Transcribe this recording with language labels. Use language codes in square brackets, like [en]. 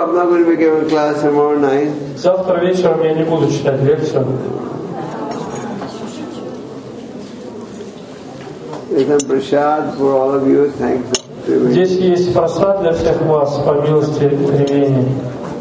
[en] I'm not going to be giving class tomorrow night. [ru] Завтра вечером я не буду читать лекцию. [en] There's some prasad for all of you. Thanks. [ru] Здесь есть просад для всех вас по милости Тривени.